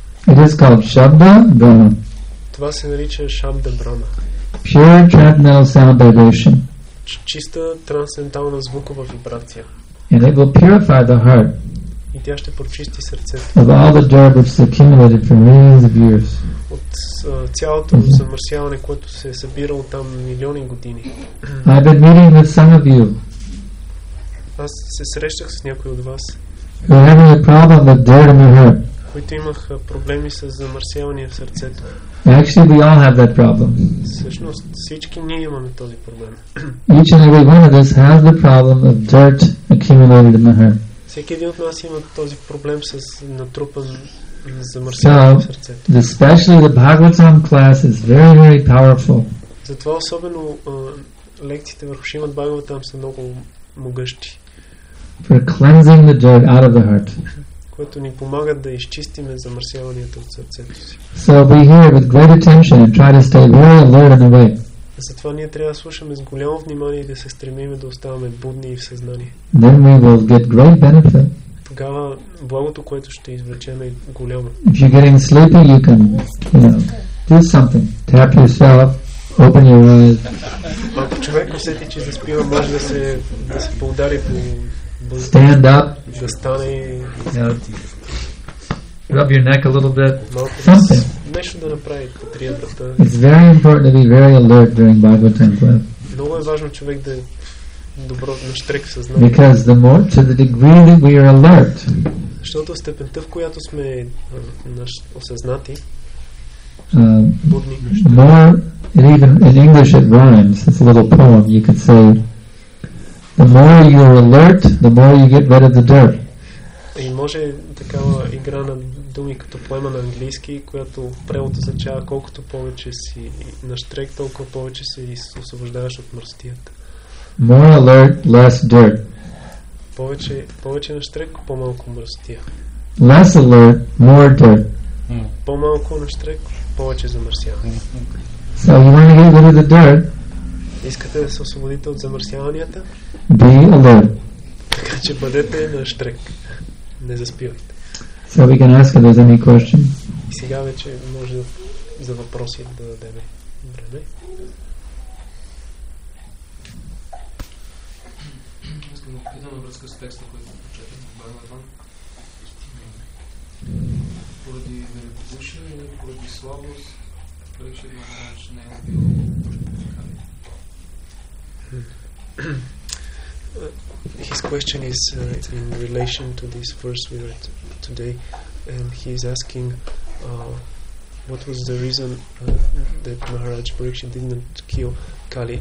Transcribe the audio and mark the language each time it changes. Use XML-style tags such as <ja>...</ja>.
<en>It is called Shabda Brahma.</en> <bg>Това се нарича Шабда Брама.</bg> <en>Pure transcendental sound vibration.</en> <bg>Чиста трансцендентална звукова вибрация.</bg> <en>And it will purify the heart.</en> <bg>И тя ще прочисти сърцето.</bg> <en>Of all the dirt that's accumulated for millions of years.</en> <bg>От цялото замърсяване, което се е събирало там милиони години.</bg> <en>I've been meeting with some of you.</en> <bg>Аз се срещах с някои от вас.</bg> <en>Who have a problem with dirt in the heart.</en> <bg>Които имах проблеми с замърсяване в сърцето.</bg> <en>Actually, we all have that problem.</en> <bg>Всъщност, всички ние имаме този проблем.</bg> <en>Each and every one of us has the problem of dirt accumulated in the heart.</en> <bg>Всеки един от нас има този проблем с натрупан замърсяване в сърцето.</bg> <en>So, especially the Bhagavatam class is very, very powerful.</en> <bg>Затова особено лекциите върху Шримад Бхагаватам са много могъщи.</bg> <en>For cleansing the dirt out of the heart.</en> <bg>Което ни помага да изчистиме замърсяванията от сърцето си.</bg> <en>So we hear with great attention and try to stay very alert and awake.</en> <bg>Затова ние трябва да слушаме с голямо внимание и да се стремим да оставаме будни и в съзнание.</bg> <en>Then we will get great benefit.</en> <bg>Тогава благото, което ще извлечем, е голямо.</bg> <en>If you're getting sleepy, you can, you know, do something. Tap yourself, open your eyes.</en> <bg>Ако човек усети, че заспива, може да се, да се поудари по...</bg> <en>Stand up.</en> <bg>Да стане...</bg> <en>Rub your neck a little bit. Something.</en> <bg>Нещо да направи по триадата.</bg> <en>It's very important to be very alert during Bhagavatam class.</en> <bg>Много е важно човек да добро нащрек в съзнанието.</bg> <en>Because the more to the degree that we are alert.</en> <bg>Защото степента, в която сме осъзнати,</bg> <en>more, and even in English it rhymes, it's a little poem, you could say, the more you are alert, the more you get rid of the dirt.</en> <bg>И може такава игра на думи като поема на английски, която превод означава колкото повече си нащрек, толкова повече се освобождаваш от мръсотията.</bg> <en>More alert, less dirt.</en> <bg>Повече, повече нащрек, по-малко мръсотия.</bg> <en>Less alert, more dirt.</en> <bg>По-малко нащрек, повече замърсяване.</bg> <en>So you want to get rid of the dirt?</en> <bg>Искате да се освободите от замърсяванията?</bg> <en>Be alert.</en> <bg>Така че бъдете нащрек. Не заспивайте.</bg> <en>So we can ask if there's any question.</en> <bg>И сега вече може за въпроси да дадем време. Искам да попитам на връзка с текста, който прочетах в Бхагаватам. Поради великодушие или поради слабост, той ще има знае, че не е убил.</bg> <en>His question is in relation to this verse we read today, and he is asking what was the reason that Maharaj Pariksit didn't kill Kali.</en>